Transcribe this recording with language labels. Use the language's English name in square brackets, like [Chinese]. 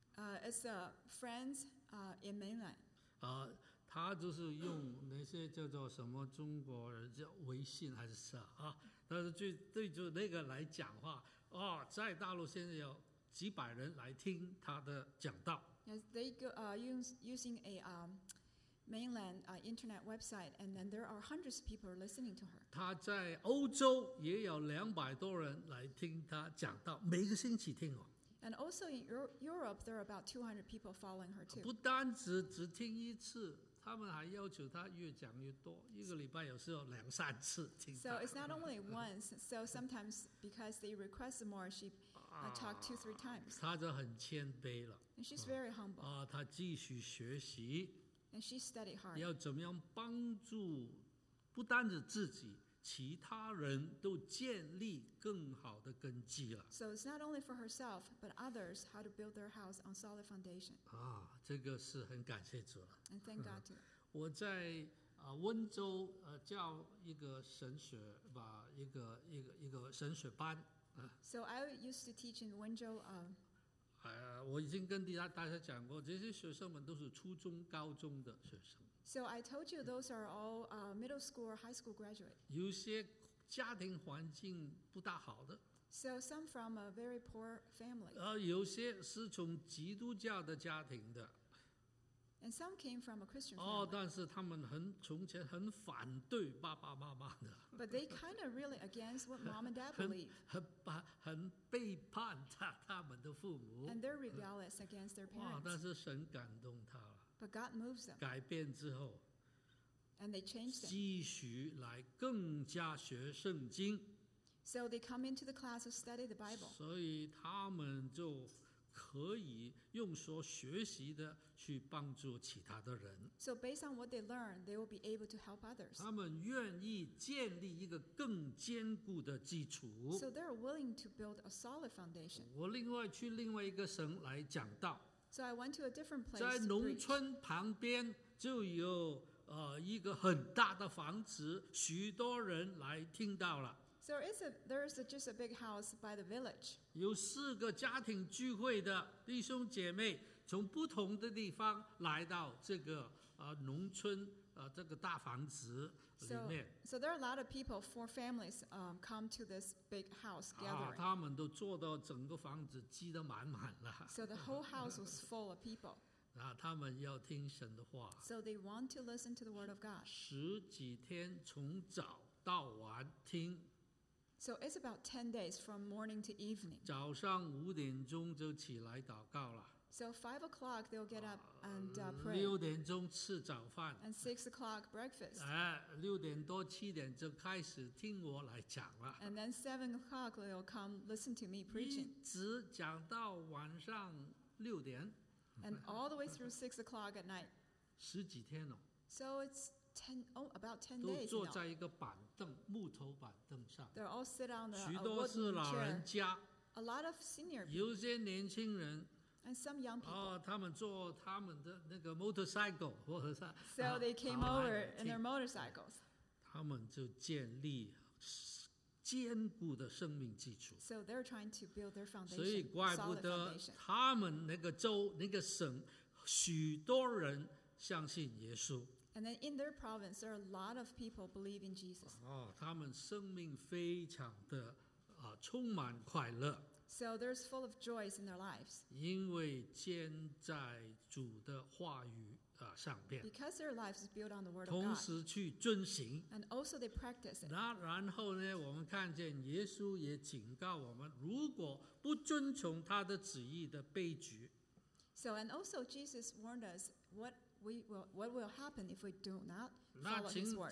[English] It's a friends in mainland. [Chinese] 她就是用那些叫做什么中国人叫微信还是啥啊？但是就对着那个来讲话哦，在大陆现在有几百人来听她的讲道。 [English] Yes, they go using a mainland internet website, and then there are hundreds of people listening to her. [Chinese] 她在欧洲也有200多人来听她讲道，每个星期听哦。 [English] And also in Europe, there are about 200 people following her too. [Chinese] 不单只听一次，他们还要求她越讲越多，一个礼拜有时候两三次听。 [English] So it's not only once. So sometimes because they request more, she I talked two, three times. [Chinese] 她就很谦卑了。 [English] And she's very humble. [Chinese] 她继续学习。 [English] And she studied hard. [Chinese] 要怎么样帮助不单是自己，其他人都建立更好的根基了。 [English] So it's not only for herself, but others how to build their house on solid foundation. [Chinese] 这个是很感谢主了。 [English] And thank God too. [Chinese] 我在温州教一个神学吧，一个神学班。 [English] So I used to teach in Wenzhou. [Chinese] 我已经跟大家讲过，这些学生们都是初中、高中的学生。 [English] So I told you those are all middle school or high school graduate. [Chinese] 有些家庭环境不大好的。 [English] So some from a very poor family. [Chinese] 有些是从基督教的家庭的。 [English] And some came from a Christian family. [Chinese] 但是他们从前很反对爸爸妈妈的。 [English] But they kind of really against what mom and dad believe. [Chinese] 很背叛他们的父母。 [English] And they're rebellious against their parents. [Chinese] 但是神感动他了。 [English] But God moves them. [Chinese] 改变之后。 [English] And they change them. [Chinese] 继续来更加学圣经。 [English] So they come into the class to study the Bible. [Chinese] 所以他们就可以用所学习的去帮助其他的人。 [English] So based on what they learn, they will be able to help others. [Chinese] 他们愿意建立一个更坚固的基础。 [English] So they're willing to build a solid foundation. [Chinese] 我另外去另外一个省来讲道。 [English] So I went to a different place. [Chinese] 在农村旁边就有一个很大的房子，许多人来听到了。 [English] So there's just a big house by the village. [Chinese] 有四个家庭聚会的弟兄姐妹从不同的地方来到这个农村这个大房子里面。 [English] So there are a lot of people, four families, come to this big house gathering. [Chinese] 他们都坐到整个房子挤得满满了。 [English] So the whole house was full of people. [Chinese] 他们要听神的话。 [English] So they want to listen to the word of God. [Chinese] 十几天从早到晚听。 [English] So it's about 10 days from morning to evening. [Chinese] 早上五点钟就起来祷告了。 [English] So 5 o'clock they'll get up and pray. [Chinese] 六点钟吃早饭。 [English] And 6 o'clock breakfast. [Chinese] 六点多七点就开始听我来讲了。 [English] And then 7 o'clock they'll come listen to me preaching. [Chinese] 一直讲到晚上六点。 [English] And all the way through 6 o'clock at night. [Chinese] 十几天哦。 [English] So it's about 10 days. [Chinese] 都坐在一个板凳，木头板凳上。 [English] They're all sit on a wooden chair. [Chinese] 许多是老人家。 [English] A lot of senior people. [Chinese] 有些年轻人。 [English] And some young people. [Chinese] 他们坐他们的那个 motorcycle 或者是。 [English] So they came over in their motorcycles. [Chinese] 他们就建立坚固的生命基础。 [English] So they're trying to build their foundation. [Chinese] 所以怪不得他们那个州那个省许多人相信耶稣。 [English] And then in their province, there are a lot of people believe in Jesus. [Chinese] 他们生命非常的充满快乐。 [English] So there's full of joys in their lives. [Chinese] 因为建在主的话语上面。 [English] Because their lives is built on the word of God. [Chinese] 同时去遵行。 [English] And also they practice it. [Chinese] 然后呢，我们看见耶稣也警告我们，如果不遵从他的旨意的悲剧。 [English] So and also Jesus warned us what will happen if we do not follow his word.